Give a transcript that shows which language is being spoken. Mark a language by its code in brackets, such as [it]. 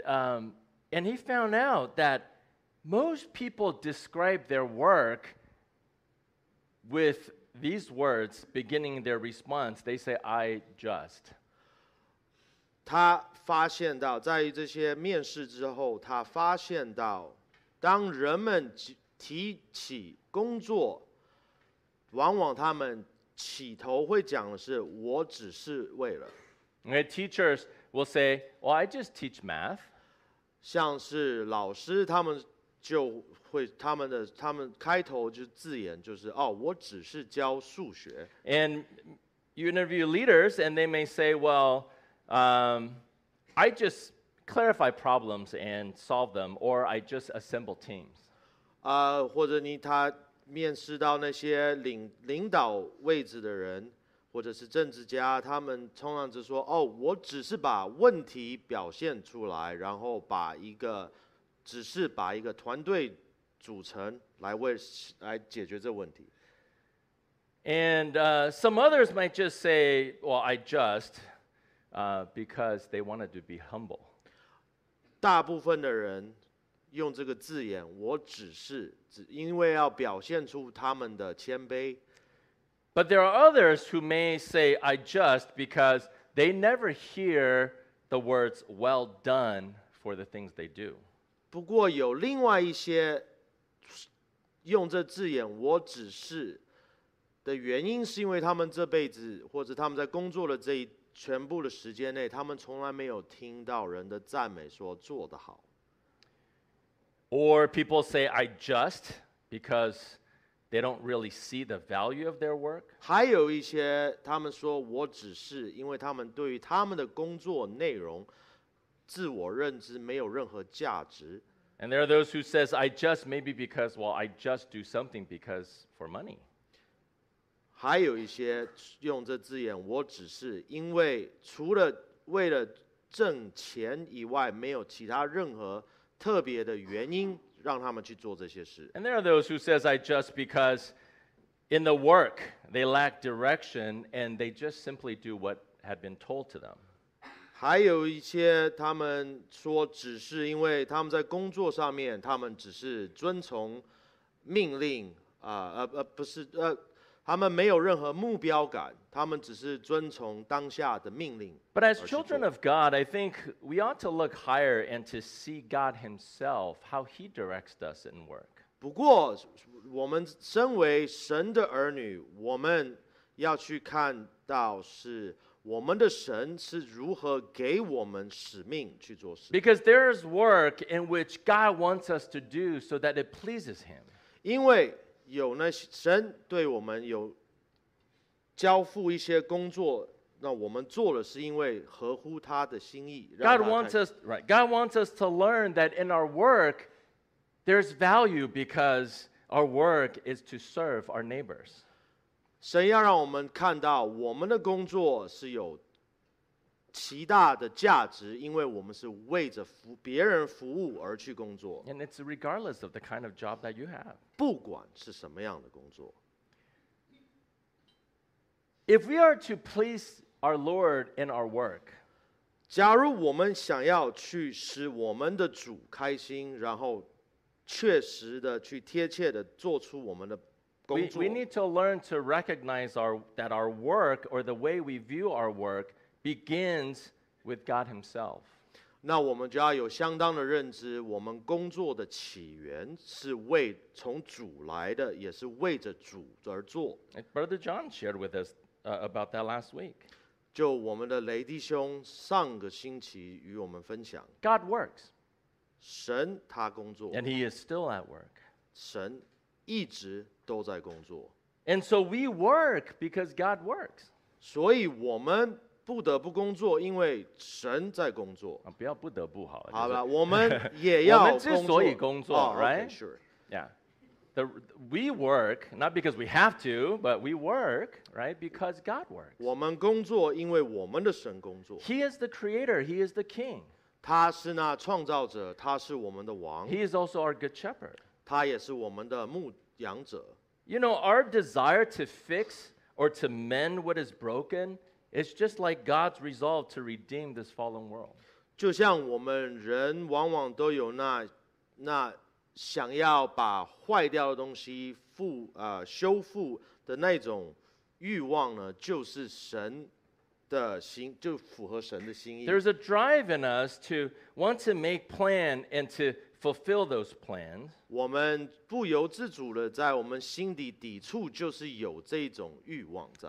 [en] And he found out that most people describe their work with these words beginning their response. They say, "I just." [zh] 他发现到在这些面试之后他发现到当人们提起工作往往他们起头会讲的是我只是为了。 [en] Okay, teachers will say, well, I just teach math. [zh] 像是老师他们就会他们开头就字眼就是哦我只是教数学。 [en] And you interview leaders and they may say, well,I just clarify problems and solve them, or I just assemble teams. [zh] 或者你他面试到那些领导位置的人，或者是政治家，他们通常就说：“哦，我只是把问题表现出来，然后把一个团队组成来解决这问题。” [en] And some others might just say, "Well, I just." Because they wanted to be humble. [zh] 大部分的人用这个字眼，我只是，因为要表现出他们的谦卑。 [en] But there are others who may say, I just, because they never hear the words, well done, for the things they do. [zh] 不过有另外一些用这字眼，我只是的原因，是因为他们这辈子，或者他们在工作的这一全部的时间内，他们从来没有听到人的赞美，说做得好。 [en] Or people say I just because they don't really see the value of their work. [zh] 还有一些他们说我只是，因为他们对于他们的工作内容自我认知没有任何价值。 [en] And there are those who says I just maybe because well I just do something because for money. [zh] 还有一些用这字眼，我只是因为除了为了挣钱以外，没有其他任何特别的原因让他们去做这些事。 [en] And there are those who says I just because in the work they lack direction and they just simply do what had been told to them. [zh] 还有一些他们说只是因为他们在工作上面，他们只是遵从命令不是他们没有任何目标感，他们只是遵从当下的命令。 [en] But as children of God, I think we ought to look higher and to see God Himself, how He directs us in work. [zh] 不过，我们身为神的儿女，我们要去看到是我们的神是如何给我们使命去做事。 [en] Because there is work in which God wants us to do so that it pleases Him. [zh] 因为有那些神对我们有交付一些工作，那我们做的是因为合乎他的心意。 [en] God wants us to learn that in our work, there's value because our work is to serve our neighbors. [zh] 神要让我们看到我们的工作是有极大的价值，因为我们是为着别人服务而去工作。 [en] And it's regardless of the kind of job that you have. [zh] 不管是什么样的工作。 [en] If we are to please our Lord in our work, [zh] 假如我们想要去使我们的主开心，然后确实的去贴切的做出我们的工作， [en] we need to learn to recognize that our work or the way we view our work begins with God Himself. [zh] 那我们就要有相当的认知，我们工作的起源是为从主来的，也是为着主而做。 [en] Brother John shared with us about that last week. [zh] 就我们的雷弟兄上个星期与我们分享。 [en] God works. [zh] 神他工作。 [en] And He is still at work. [zh] 神一直都在工作。 [en] And so we work because God works. [zh] 所以我们不得不工作，因为神在工作。不要不得不好。好了，我们也要工作。我们之所以工作， [en] right? Okay, sure. Yeah. We work, not because we have to, but we work, right? Because God works. [zh] 我们工作因为我们的神工作。 [en] He is the creator, He is the king. [zh] 他是那创造者，他是我们的王。 [en] He is also our good shepherd. [zh] 他也是我们的牧羊者。 [en] You know, our desire to fix or to mend what is broken is just like God's resolve to redeem this fallen world. [zh] 就像我们人往往都有那想要把坏掉的东西修复的那种欲望呢，就是神的心，就符合神的心意。 [en] There's a drive in us to want to make plan and to fulfill those plans. [zh] 我们不由自主的在我们心底底处就是有这种欲望在。